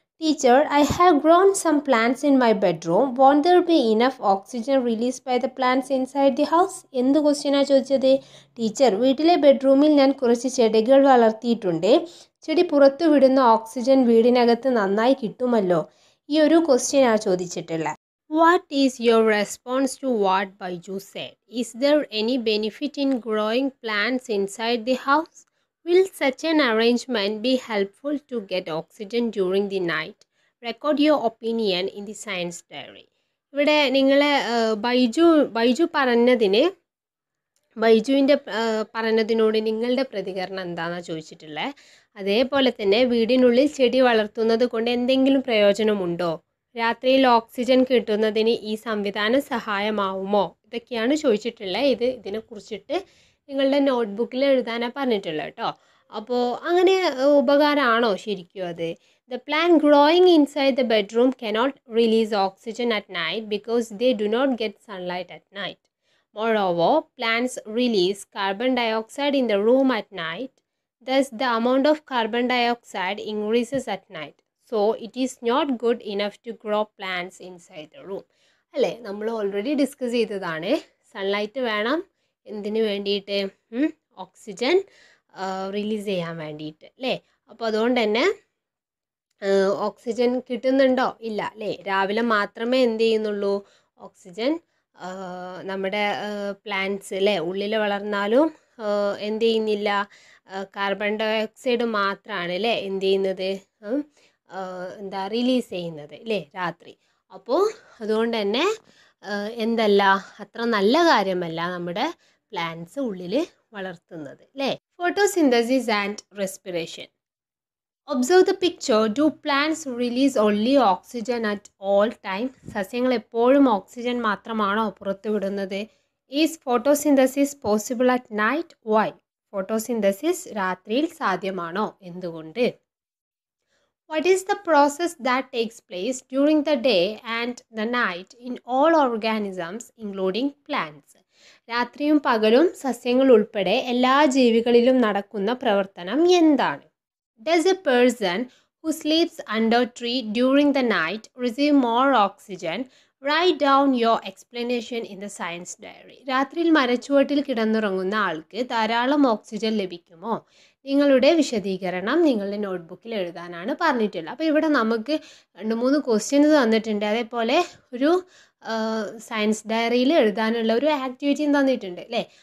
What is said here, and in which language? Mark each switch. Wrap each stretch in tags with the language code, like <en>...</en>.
<en>Teacher, I have grown some plants in my bedroom, won't there be enough oxygen release by the plants inside the house?</en> <ml>എന്ത് ക്വസ്റ്റ്യനാണ് ചോദിച്ചത്? Teacher, വീട്ടിലെ ബെഡ്റൂമിൽ ഞാൻ കുറച്ച് ചെടികൾ വളർത്തിയിട്ടുണ്ട്, ചെടി പുറത്തു വിടുന്ന ഓക്സിജൻ വീടിനകത്ത് നന്നായി കിട്ടുമല്ലോ? ഈ ഒരു ക്വസ്റ്റ്യനാണ് ചോദിച്ചിട്ടുള്ളത്.</ml> <en>What is your response to what Baiju said? Is there any benefit in growing plants inside the house? Will such an arrangement be helpful to get oxygen during the night? Record your opinion in the science diary.</en> <ml>ഇവിടെ നിങ്ങൾ ബൈജു പറഞ്ഞതിനെ, ബൈജുവിൻ്റെ പറഞ്ഞതിനോട് നിങ്ങളുടെ പ്രതികരണം എന്താണെന്ന് ചോദിച്ചിട്ടുള്ളത്. അതേപോലെ തന്നെ വീടിനുള്ളിൽ ചെടി വളർത്തുന്നത് കൊണ്ട് എന്തെങ്കിലും പ്രയോജനമുണ്ടോ? രാത്രിയിൽ ഓക്സിജൻ കിട്ടുന്നതിന് ഈ സംവിധാനം സഹായമാവുമോ? ഇതൊക്കെയാണ് ചോദിച്ചിട്ടുള്ളത്. ഇത് ഇതിനെ കുറിച്ചിട്ട് നിങ്ങളുടെ നോട്ട്ബുക്കിൽ എഴുതാനാണ് പറഞ്ഞിട്ടുള്ളത് കേട്ടോ. അപ്പോൾ അങ്ങനെ ഉപകാരമാണോ ശരിക്കും അത്?</ml> <en>The plant growing inside the bedroom cannot release oxygen at night because they do not get sunlight at night. Moreover, plants release carbon dioxide in the room at night, thus the amount of carbon dioxide increases at night. So it is not good enough to grow plants inside the room.</en> <ml>Alle nammal already discuss cheyidathane sunlight venam endinu vendite oxygen release cheyan vendite alle. Appo adond enna oxygen kittunnundo illa alle raavile maatrame endeyunnullo oxygen nammade plants alle ullile valarnalum endeyunnilla carbon dioxide maatrana alle endeyunnathu എന്താ release ചെയ്യുന്നത് അല്ലേ രാത്രി. അപ്പോൾ അതുകൊണ്ട് തന്നെ എന്തല്ല അത്ര നല്ല കാര്യമല്ല നമ്മുടെ പ്ലാന്റ്സ് ഉള്ളിൽ വളർത്തുന്നത് അല്ലേ.</ml> <en>Photosynthesis and respiration. Observe the picture. Do plants release only oxygen at all time?</en> <ml>സസ്യങ്ങൾ എപ്പോഴും ഓക്സിജൻ മാത്രമാണോ പുറത്തു വിടുന്നത്?</ml> <en>Is photosynthesis possible at night? Why?</en> <ml>Photosynthesis രാത്രിയിൽ സാധ്യമാണോ? എന്തുകൊണ്ട്?</ml> <en>What is the process that takes place during the day and the night in all organisms including plants?</en> <ml>രാത്രിയും പകലും സസ്യങ്ങൾ ഉൾപ്പെടെ എല്ലാ ജീവികളിലും നടക്കുന്ന പ്രവർത്തനം എന്താണ്?</ml> <en>Does a person who sleeps under tree during the night receive more oxygen. Write down your explanation in the science diary.</en> <ml>രാത്രിയിൽ മരച്ചുവട്ടിൽ കിടന്നുറങ്ങുന്ന ആൾക്ക് ധാരാളം ഓക്സിജൻ ലഭിക്കുമോ? നിങ്ങളുടെ വിശദീകരണം നിങ്ങളുടെ നോട്ട്ബുക്കിൽ എഴുതാനാണ് പറഞ്ഞിട്ടുള്ളത്. അപ്പോൾ ഇവിടെ നമുക്ക് രണ്ട് മൂന്ന് ക്വസ്റ്റ്യൻസ് തന്നിട്ടുണ്ട്. അതേപോലെ ഒരു സയൻസ് ഡയറിയിൽ എഴുതാനുള്ള ഒരു ആക്ടിവിറ്റിയും തന്നിട്ടുണ്ട് അല്ലേ.</ml>